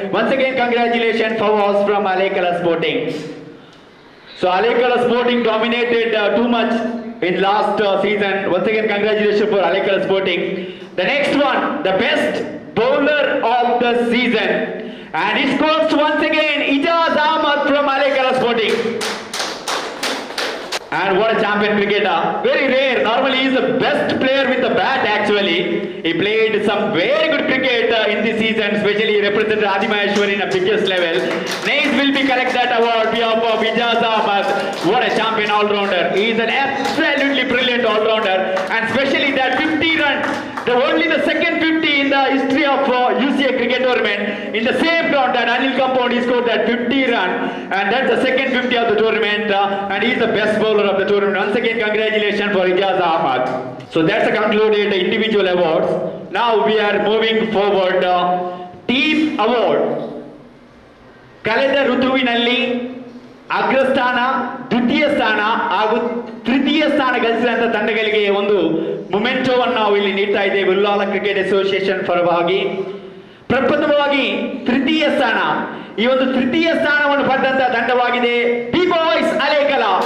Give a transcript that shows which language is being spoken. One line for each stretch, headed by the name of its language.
English: Once again congratulation Fawaz from Alekala sporting. So Alekala sporting dominated too much in last season. Once again congratulation for Alekala sporting. The next one the best bowler of the season and is course once again Ijaz Ahmed from Alekala sporting. And what a champion cricketer, very rare. Normally he is the best player with the bat. Actually he played some very good cricket in this season, especially he represented Adimaheshwari in a biggest level. Names will be collect that award behalf of Ijaz Ahmed. What a champion all-rounder, he is an absolutely brilliant all-rounder. And especially that 50 run, the only the second 50 in the history of UCA cricket tournament. In the same ground that Anil Compound, he scored that 50 run, and that's the second 50 of the tournament, and he is the best bowler of the tournament. Once again congratulations for Ijaz Ahmed. So that's the concluded individual awards. Now we are moving forward team award.
Kannada: Kalenda Ruthuvinalli ಅಗ್ರಸ್ಥಾನ, ದ್ವಿತೀಯ ಸ್ಥಾನ ಹಾಗೂ ತೃತೀಯ ಸ್ಥಾನ ಗಳಿಸಿದಂಥ ತಂಡಗಳಿಗೆ ಒಂದು ಮೊಮೆಂಟೋವನ್ನು ನಾವು ಇಲ್ಲಿ ನೀಡ್ತಾ ಇದ್ದೇವೆ ಉಲ್ಲಾಲ ಕ್ರಿಕೆಟ್ ಅಸೋಸಿಯೇಷನ್ ಪರವಾಗಿ. ಪ್ರಪ್ರಥಮವಾಗಿ ತೃತೀಯ ಸ್ಥಾನ, ಈ ಒಂದು ತೃತೀಯ ಸ್ಥಾನವನ್ನು ಪಡೆದಂತಹ ತಂಡವಾಗಿದೆ ಬಿ ಬಾಯ್ಸ್ ಅಲೇಕಲ.